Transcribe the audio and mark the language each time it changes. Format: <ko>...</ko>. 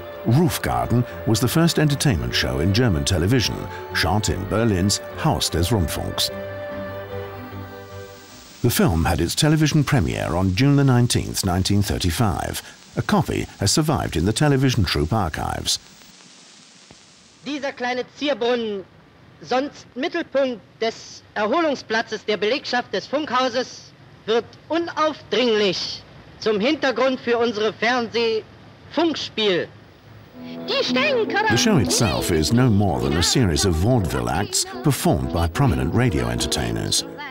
<en>Rufgarten was the first entertainment show in German television, shot in Berlin's Haus des Rundfunks. The film had its television premiere on June the 19th, 1935. A copy has survived in the television troupe archives.</en> <de>Dieser kleine Zierbrunnen, sonst Mittelpunkt des Erholungsplatzes der Belegschaft des Funkhauses, wird unaufdringlich zum Hintergrund für unsere Fernsehfunkspiel.</de> <en>The show itself is no more than a series of vaudeville acts performed by prominent radio entertainers.</en>